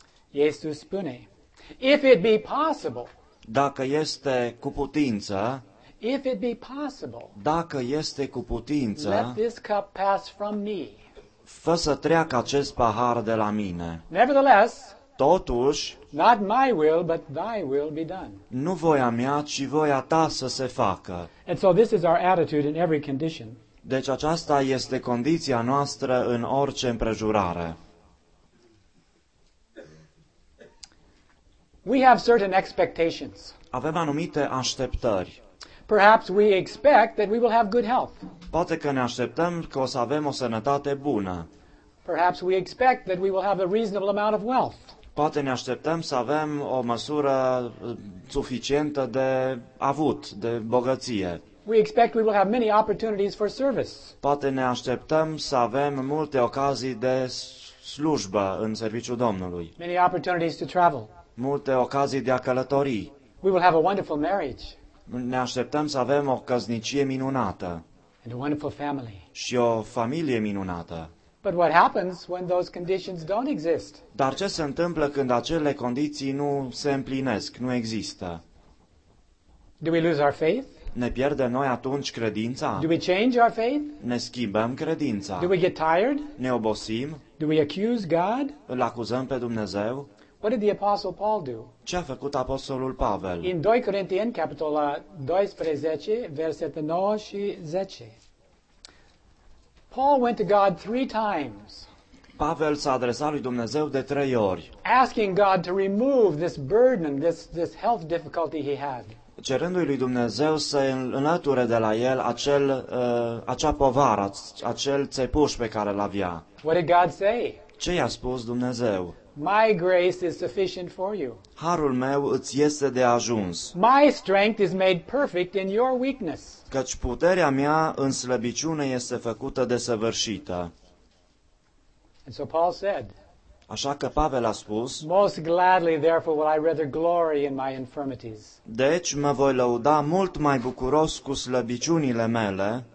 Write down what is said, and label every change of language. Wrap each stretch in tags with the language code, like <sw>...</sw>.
<ro>Iisus spune,</ro> <en>if it be possible,</en> <ro>dacă este cu putință,</ro> <en>if it be possible,</en> <ro>dacă este cu putință,</ro> <en>let this cup pass from me,</en> <ro>fă să treacă acest pahar de la mine.</ro> <en>Nevertheless,</en> <ro>totuși,</ro> <en>not my will, but thy will be done.</en> <ro>Nu voia mea, ci voia ta să se facă.</ro> <en>And so this is our attitude in every condition.</en> <ro>Deci aceasta este condiția noastră în orice împrejurare.</ro> <en>We have certain expectations.</en> <ro>Avem anumite așteptări.</ro> <en>Perhaps we expect that we will have good health.</en> <ro>Poate că ne așteptăm că o să avem o sănătate bună.</ro> <en>Perhaps we expect that we will have a reasonable amount of wealth.</en> <ro>Poate ne așteptăm să avem o măsură suficientă de avut, de bogăție.</ro> <en>We expect we will have many opportunities for service.</en> <ro>Poate ne așteptăm să avem multe ocazii de slujbă în serviciul Domnului.</ro> <en>Many opportunities to travel.</en> <ro>Multe ocazii de a călători.</ro> <en>We will have a wonderful marriage.</en> <ro>Ne așteptăm să avem o căsnicie minunată.</ro> <en>And a wonderful family.</en> <ro>Și o familie minunată.</ro> <en>But what happens when those conditions don't exist?</en> <ro>Dar ce se întâmplă când acele condiții nu se împlinesc, nu există?</ro> <en>Do we lose our faith?</en> <ro>Ne pierdem noi atunci credința?</ro> <en>Do we change our faith?</en> <ro>Ne schimbăm credința?</ro> <en>Do we get tired?</en> <ro>Ne obosim?</ro> <en>Do we accuse God?</en> <ro>Îl acuzăm pe Dumnezeu?</ro> <en>What did the Apostle Paul do?</en> <ro>Ce a făcut Apostolul Pavel? In 2 Corinteni, capitolul 12, versetul 9 și 10.</ro> <en>Paul went to God three times.</en> <ro>Pavel s-a adresat lui Dumnezeu de trei ori.</ro> <en>Asking God to remove this burden, this health difficulty he had.</en> <ro>Cerându-i lui Dumnezeu să înlăture de la el acea povară, acel țepuș pe care l-avea.</ro> <en>What did God say?</en> <ro>Ce i-a spus Dumnezeu?</ro> <en>My grace is sufficient for you.</en> <ro>Harul meu îți este de ajuns.</ro> <en>My strength is made perfect in your weakness.</en> <ro>Căci puterea mea în slăbiciune este făcută desăvârșită.</ro> <en>And so Paul said.</en> <ro>Așa că Pavel a spus,</ro> <en>most gladly, therefore, will I rather glory in my infirmities.</en> <ro>Deci mă voi lăuda mult mai bucuros cu slăbiciunile mele,</ro>